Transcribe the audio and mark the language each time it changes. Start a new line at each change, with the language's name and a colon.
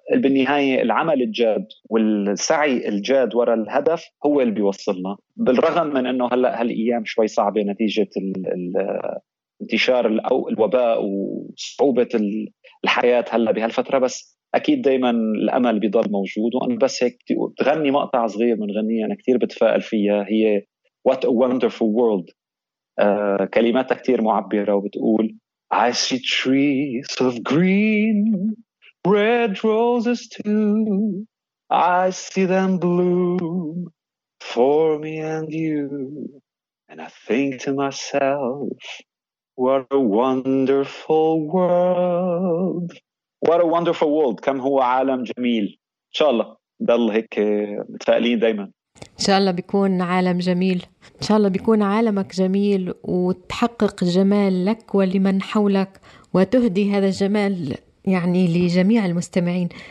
Arabic: بالنهاية العمل الجاد والسعي الجاد وراء الهدف هو اللي بيوصلنا، بالرغم من أنه هلأ هالأيام شوي صعبة نتيجة انتشار الوباء وصعوبة الحياة هلأ بهالفترة، بس أكيد دايما الأمل بيضل موجود. وأنا بس هيك بتغني مقطع صغير من غنية أنا كتير بتفائل فيها، هي
English: What a wonderful world.
Arabic: كلماتها كتير معبرة وبتقول
English: I see trees of green, red roses too. I see them bloom for me and you. And I think to myself, what a wonderful world. What a wonderful world.
Arabic: كم هو عالم جميل. إن شاء الله ضل هيك متفائلين دايما. إن شاء الله بيكون عالم جميل، إن شاء الله بيكون عالمك جميل وتحقق جمال لك ولمن حولك وتهدي هذا الجمال يعني لجميع المستمعين.